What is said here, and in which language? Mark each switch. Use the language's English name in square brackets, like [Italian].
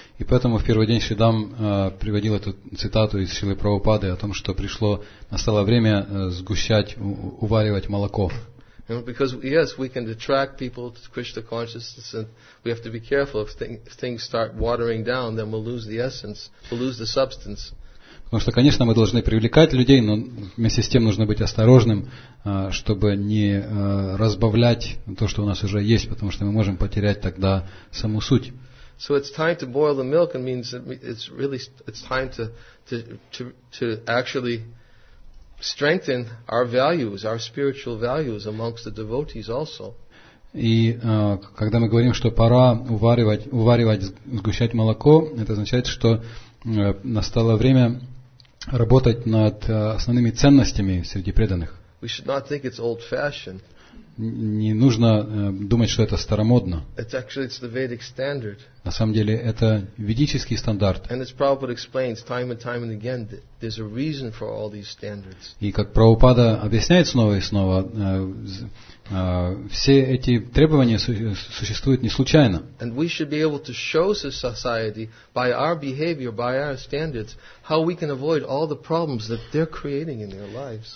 [Russian] И поэтому в первый день Шри Дам приводил эту цитату из Шрилы Прабхупады о том, что пришло, настало время сгущать, уваривать молоко. [English] And because yes, we can attract people to Krishna consciousness, and we have to be careful. If things start watering down, then we'll lose the essence, we'll lose the substance. [Russian] Потому что, конечно, мы должны привлекать людей, но вместе с тем нужно быть осторожным, чтобы не разбавлять то, что у нас уже есть, потому что мы можем потерять тогда саму суть. [English] So it's time to boil the milk, and means it's really it's time to actually strengthen our values, our spiritual values amongst the devotees also. [Russian] И когда мы говорим, что пора уваривать, сгущать молоко, это означает, что настало время работать над основными ценностями среди преданных. [English] We should not think it's old-fashioned. [Russian] Не нужно думать, что это старомодно. [English] It's actually, it's the Vedic standard. [Russian] На самом деле, это ведический стандарт. [English] And as Prabhupada explains time and time and again, there's a reason for all these standards. [Russian] И как Прабхупада объясняет снова и снова, все эти требования существуют не случайно. [English] And we should be able to show society by our behavior, by our standards, how we can avoid all the problems that they're creating in their lives.